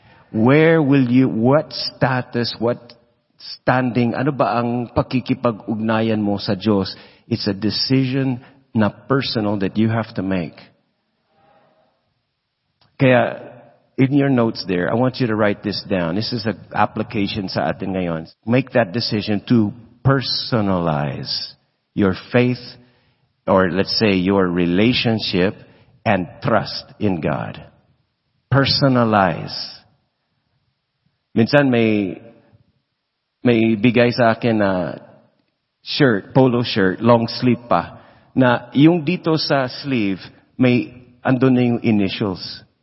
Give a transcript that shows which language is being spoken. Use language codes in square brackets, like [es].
[en] Where will you, what status, what standing, [tl] ano ba ang pakikipag-ugnayan mo sa Diyos? [en] It's a decision na personal that you have to make. Kaya, in your notes there, I want you to write this down. This is an application [tl] sa atin ngayon. [en] Make that decision to personalize your faith, or let's say your relationship and trust in God. [tl] Personalize. Minsan may bigay sa akin na shirt, polo shirt, long sleeve pa, na yung dito sa sleeve, may andun na yung initials.